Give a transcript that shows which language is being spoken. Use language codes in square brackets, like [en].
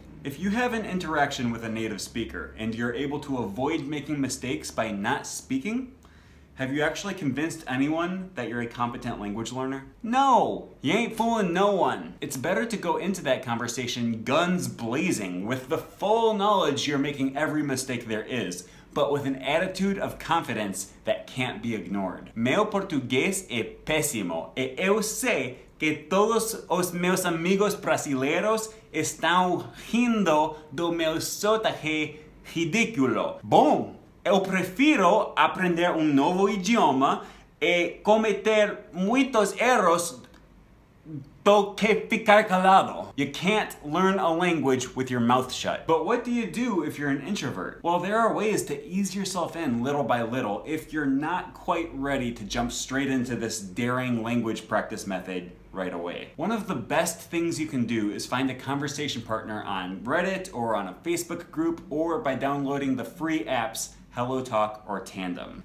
[en] If you have an interaction with a native speaker and you're able to avoid making mistakes by not speaking, have you actually convinced anyone that you're a competent language learner? No! You ain't fooling no one! It's better to go into that conversation guns blazing with the full knowledge you're making every mistake there is, but with an attitude of confidence that can't be ignored. [pt] Meu português é péssimo, e eu sei que todos os meus amigos brasileiros estão rindo do meu sotaque ridículo. Bom! Eu prefiro aprender novo idioma e cometer muitos erros do que ficar calado. [en] You can't learn a language with your mouth shut. But what do you do if you're an introvert? Well, there are ways to ease yourself in little by little if you're not quite ready to jump straight into this daring language practice method right away. One of the best things you can do is find a conversation partner on Reddit or on a Facebook group or by downloading the free apps HelloTalk or Tandem.